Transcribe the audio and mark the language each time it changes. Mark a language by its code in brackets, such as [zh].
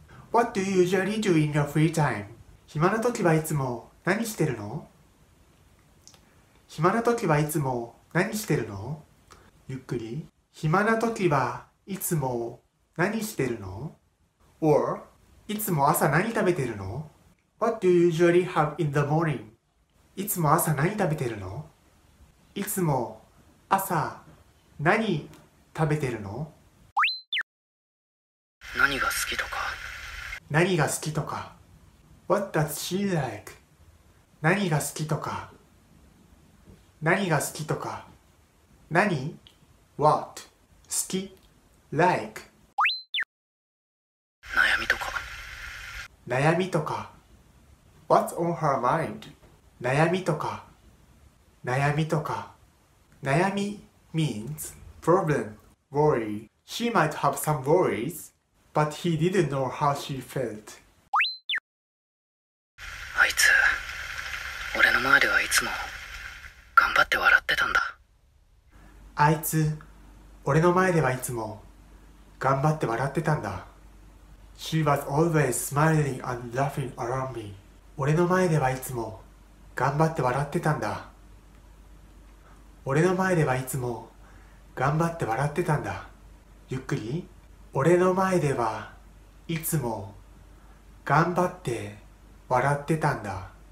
[en] What do you usually do in your free time? [ja] 暇な時はいつも何してるの?暇な時はいつも何してるの?ゆっくり。暇な時はいつも何してるの? Or, いつも朝何食べてるの? [en] What do you usually have in the morning? [ja] いつも朝何食べてるの?いつも朝何食べてるの? 何が好きとか。何が好きとか。 [en] What does she like? [ja] 何が好きとか。何が好きとか。何? [en] What? [ja] 好き Like? 悩みとか。悩みとか。 [en] What's on her mind? [ja] 悩みとか。悩みとか。 [en] 悩み means problem, worry. She might have some worries. But he didn't know how she felt. [ja] あいつ、俺の前ではいつも頑張って笑ってたんだ。あいつ、俺の前ではいつも頑張って笑ってたんだ。 [en] She was always smiling and laughing around me. [ja] 俺の前ではいつも頑張って笑ってたんだ。俺の前ではいつも頑張って笑ってたんだ。ゆっくり。俺の前ではいつも頑張って笑ってたんだ。